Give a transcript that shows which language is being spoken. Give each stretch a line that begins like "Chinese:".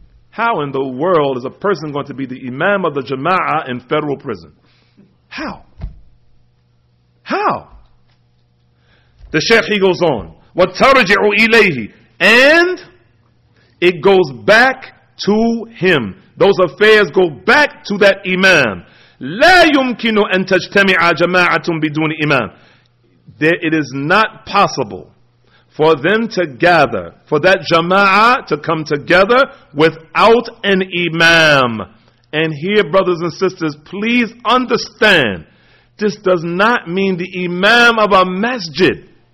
English: How in the world is a person going to be the imam of the jama'ah in federal prison? How? How? The sheikh, he goes on,
Arabic: وَتَرْجِعُ إِلَيْهِ.
English: And it goes back to him. Those affairs go back to that imam.
Arabic: لَا يُمْكِنُ أَن تَجْتَمِعَ جَمَاعَةٌ بِدُونِ imam.
English: There, it is not possible for them to gather, for that jama'ah to come together without an imam. And here, brothers and sisters, please understand, this does not mean the imam of a masjid.